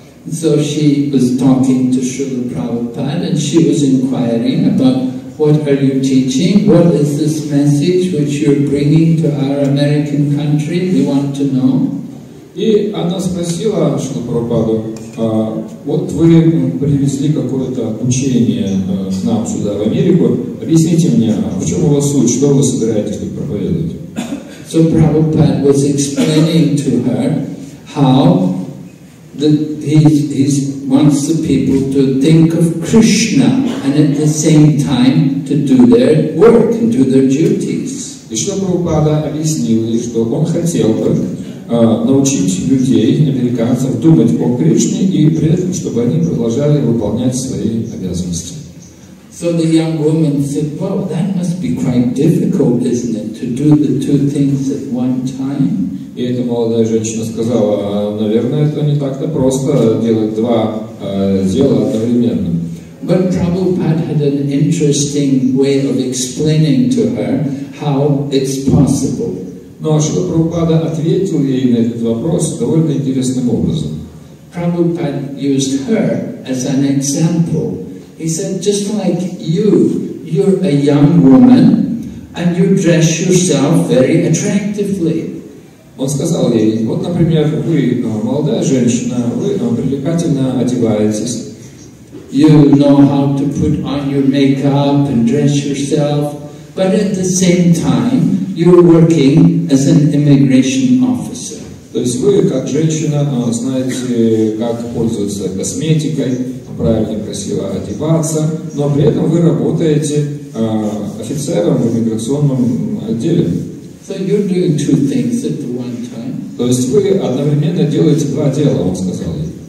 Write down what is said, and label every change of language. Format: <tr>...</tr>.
<en>So she was talking to Srila Prabhupada and she was inquiring about what are you teaching? What is this message which you're bringing to our American country? We want to know.</en> <ru>И она спросила Шрила Прабхупаду, вот вы привезли какое-то учение к нам сюда, в Америку. Объясните мне, в чем у вас суть, что вы собираетесь тут проповедовать?</ru> <en>So Prabhupada was explaining to her how he wants the people to think of Krishna and at the same time to do their work and do their duties.</en> <ru>И что Прабхупада объяснил, что он хотел бы научить людей, американцев, думать о Кришне и при этом, чтобы они продолжали выполнять свои обязанности.</ru> <en>So the young woman said, well, that must be quite difficult, isn't it, to do the two things at one time?</en> <ru>И эта молодая женщина сказала, наверное, это не так-то просто делать два дела одновременно.</ru> <en>But Prabhupada had an interesting way of explaining to her how it's possible.</en> <ru>Но Шрила Прабхупада ответил ей на этот вопрос довольно интересным образом.</ru> <en>Prabhupada used her as an example. He said, just like you, you're a young woman and you dress yourself very attractively.</en> <ru>Он сказал ей, вот, например, вы молодая женщина, вы привлекательно одеваетесь.</ru> <en>You know how to put on your makeup and dress yourself, but at the same time, you're working as an immigration officer.</en> <ru>То есть вы, как женщина, знаете, как пользоваться косметикой, правильно, красиво одеваться, но при этом вы работаете офицером в иммиграционном отделе.</ru> <en>So you're doing two things at the one time.</en> <ru>То есть вы одновременно делаете два дела, он сказал ей.</ru>